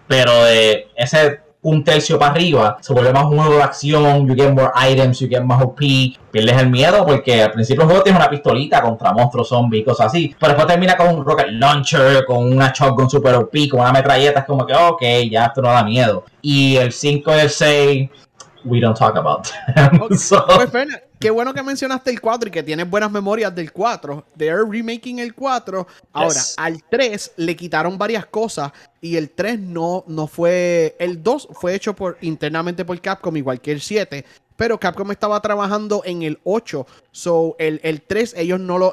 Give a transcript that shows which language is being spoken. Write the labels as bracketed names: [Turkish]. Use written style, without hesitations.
[Spanish] Pero de ese un tercio para arriba, se vuelve más un juego de acción, [English] you get more items, you get [Spanish] más OP, pierdes el miedo porque al principio el juego tiene una pistolita contra monstruos, zombies y cosas así, pero después termina con un rocket launcher, con una shotgun super OP, con una metralleta, es como que ok, ya esto no da miedo. Y el 5 y el 6, [English] we don't talk about them. Okay. [Spanish] So, pues Fena, qué bueno que mencionaste el 4 y que tienes buenas memorias del 4, [English] they're remaking [Spanish] el 4, ahora, yes. Al 3 le quitaron varias cosas. Y el 3 no fue... El 2 fue hecho internamente por Capcom, igual que el 7. Pero Capcom estaba trabajando en el 8. So, el 3, ellos no lo...